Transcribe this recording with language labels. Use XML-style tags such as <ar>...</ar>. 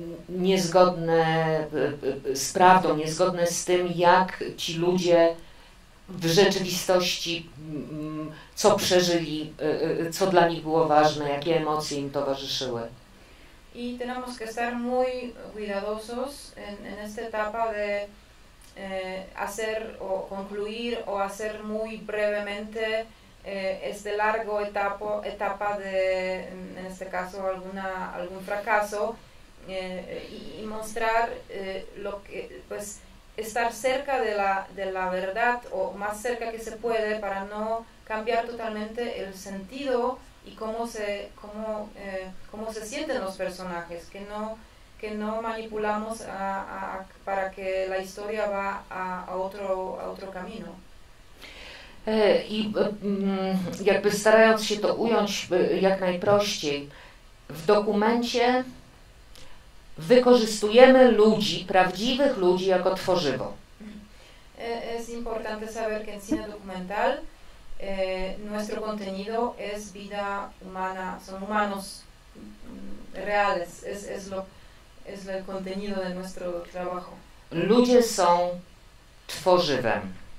<pl>niezgodne z prawdą, niezgodne z tym, jak ci ludzie w rzeczywistości, co przeżyli, co dla nich było ważne, jakie emocje im towarzyszyły.</pl> <es>Y tenemos que estar muy cuidadosos en esta etapa de hacer o concluir o hacer muy brevemente este largo etapa de, en este caso, algún fracaso y mostrar lo que, pues, estar cerca de la verdad o más cerca que se puede para no cambiar totalmente el sentido y cómo se sienten los personajes, que no manipulamos para que la historia va a otro camino.</es> <pl>I jakby starając się to ująć jak najprościej, w dokumencie wykorzystujemy ludzi, prawdziwych ludzi, jako tworzywo.</pl> <es>Es importante saber que en cine documental nuestro contenido es vida humana, son humanos reales, es el contenido de nuestro trabajo.</es> <pl>Ludzie są tworzywem.</pl>